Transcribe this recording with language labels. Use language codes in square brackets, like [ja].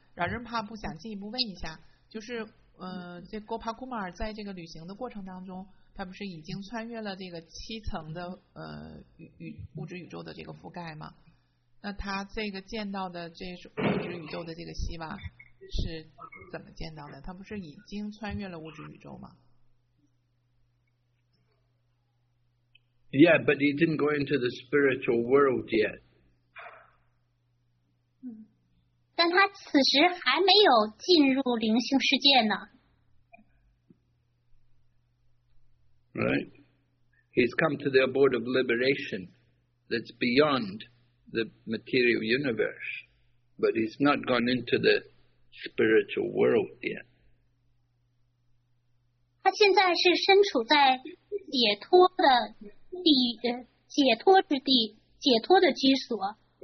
[zh] Rajanprabhu想进一步问一下，就是这 Gopal Kumar 在这个旅行的过程当中，他不是已经穿越了这个七层的物质宇宙的这个覆盖吗？那他这个见到的这物质宇宙的这个希望是怎么见到的？他不是已经穿越了物质宇宙吗？ [en] Yeah, but he didn't go into the spiritual world yet. [zh] 但他此时还没有进入灵性世界呢。 [en] Right, he's come to the abode of liberation that's beyond the material universe, but he's not gone into the spiritual world yet. [zh] 他现在是身处在解脱的地，解脱之地，解脱的居所。